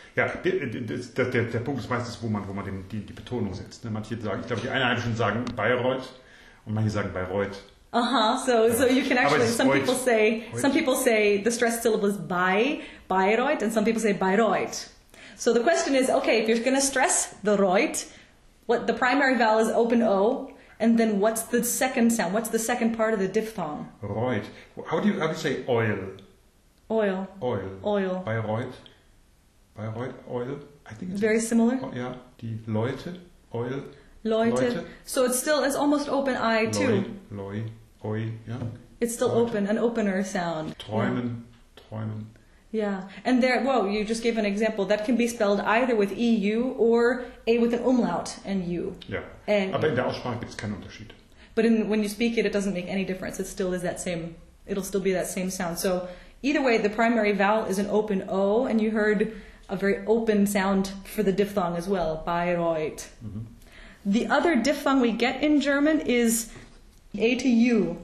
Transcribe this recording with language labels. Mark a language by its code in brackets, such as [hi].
[de] Ja, der Punkt ist meistens, wo man die Betonung setzt. Manche sagen, ich glaube, die Einheimischen sagen Bayreuth und manche sagen Bayreuth. [en] Aha, uh-huh. So you can actually, some people say the stressed syllable is by Bayreuth and some people say Bayreuth. So the question is, okay, if you're going to stress the Reut, what the primary vowel is open O, and then what's the second sound? What's the second part of the diphthong? Reut. How do you say oil? Oil. Oil. Oil. Bayreuth. Bayreuth, oil. I think it's very similar. Oh, yeah. [de] Die Leute, [en] oil. Leute. So it's almost open I too. Loi, oi, yeah. It's still Leute. Open, an opener sound. [de] Träumen, yeah. Träumen. [en] Yeah, and there, whoa, you just gave an example. That can be spelled either with EU or A with an umlaut and U. [de] Yeah, aber in der Aussprache gibt es keinen Unterschied. [en] But when you speak it, it doesn't make any difference. It still is that same, it'll still be that same sound. So either way, the primary vowel is an open O, and you heard a very open sound for the diphthong as well, Bayreuth. Mm-hmm. The other diphthong we get in German is A to U.